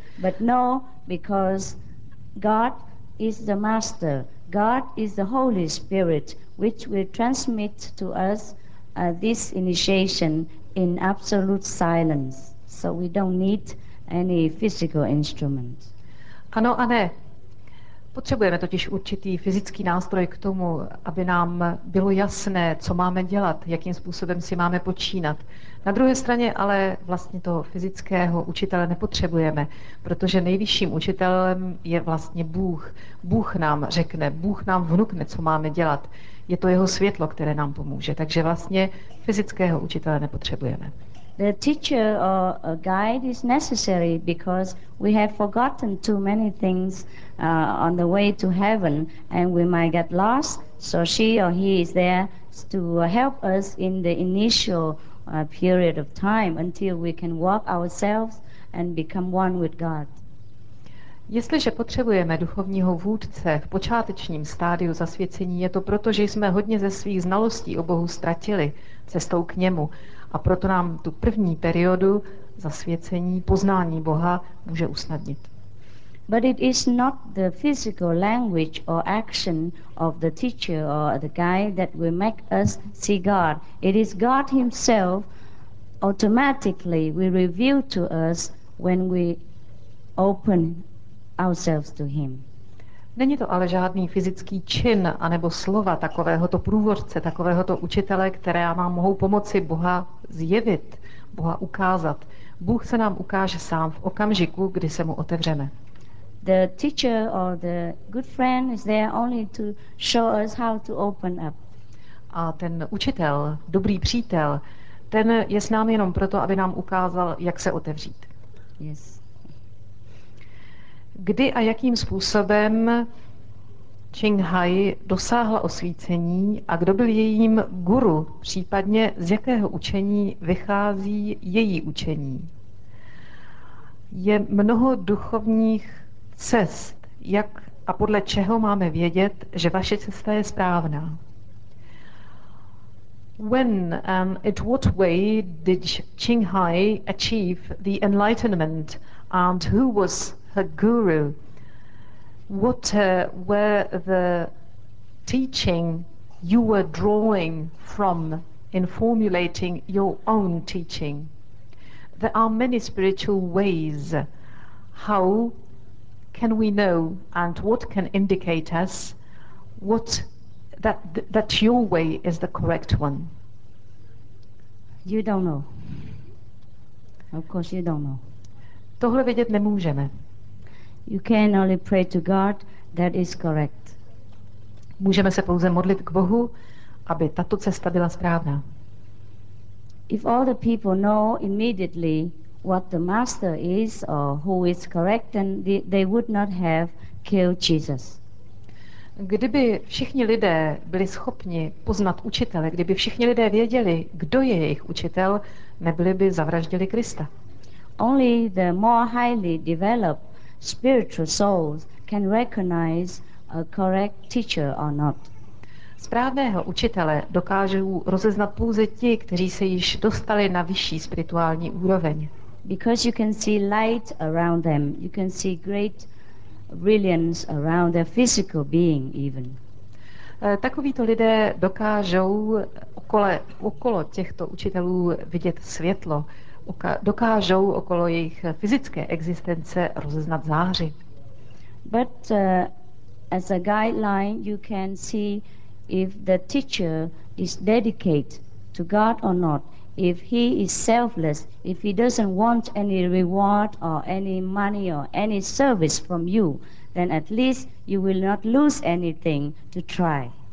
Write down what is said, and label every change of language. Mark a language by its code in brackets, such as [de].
[en] But no, because God is the master. God is the Holy Spirit, which will transmit to us this initiation in absolute silence, so we don't need any physical instrument. [cs] Ano a ne. Potřebujeme totiž určitý fyzický nástroj k tomu, aby nám bylo jasné, co máme dělat, jakým způsobem si máme počínat. Na druhé straně ale vlastně toho fyzického učitele nepotřebujeme, protože nejvyšším učitelem je vlastně Bůh. Bůh nám řekne, Bůh nám vnukne, co máme dělat. Je to jeho světlo, které nám pomůže. Takže vlastně fyzického učitele nepotřebujeme. [en] The teacher or a guide is necessary because we have forgotten too many things on the way to heaven and we might get lost. So she or he is there to help us in the initial period of time until we can walk ourselves and become one with God. [cs] Jestliže potřebujeme duchovního vůdce v počátečním stádiu zasvěcení, je to proto, že jsme hodně ze svých znalostí o Bohu ztratili cestou k němu. A proto nám tu první periodu zasvěcení, poznání Boha může usnadnit. [en] But it is not the physical language or action of the teacher or the guide that will make us see God. It is God himself automatically will reveal to us when we open ourselves to him. [cs] Není to ale žádný fyzický čin anebo slova takovéhoto průvodce, takovéhoto učitele, které nám mohou pomoci Boha zjevit, Boha ukázat. Bůh se nám ukáže sám v okamžiku, kdy se mu otevřeme. [en] The teacher or the good friend is there only to show us how to open up. [cs] A ten učitel, dobrý přítel, ten je s námi jenom proto, aby nám ukázal, jak se otevřít. [en] Yes. [cs] Kdy a jakým způsobem Qinghai dosáhla osvícení a kdo byl jejím guru, případně z jakého učení vychází její učení? Je mnoho duchovních cest, jak a podle čeho máme vědět, že vaše cesta je správná? [en] When and in what way did Qinghai achieve the enlightenment and who was a guru? What were the teaching you were drawing from in formulating your own teaching? There are many spiritual ways. How can we know and what can indicate us what that your way is the correct one? You don't know. Of course you don't know. [cs] Tohle vědět nemůžeme. [en] You can only pray to God, that is correct. [cs] Můžeme se pouze modlit k Bohu, aby tato cesta byla správná. [en] If all the people know immediately what the master is or who is correct, then they would not have killed Jesus. [cs] Kdyby všichni lidé byli schopni poznat učitele, kdyby všichni lidé věděli, kdo je jejich učitel, nebyli by zavraždili Krista. [en] Only the more highly developed spiritual souls can recognize a correct teacher or not. [cs] Správného učitele dokážou rozeznat pouze ti, kteří se již dostali na vyšší spirituální úroveň. [en] Because you can see light around them, you can see great brilliance around their physical being even. [cs] Takovíto lidé dokážou okolo těchto učitelů vidět světlo. Dokážou okolo jejich fyzické existence rozeznat záři. [en] But as a guideline you can see if the teacher is dedicated to God or not, if he is selfless, if he doesn't want any reward or any money or any service from you, then at least you will not lose anything to try.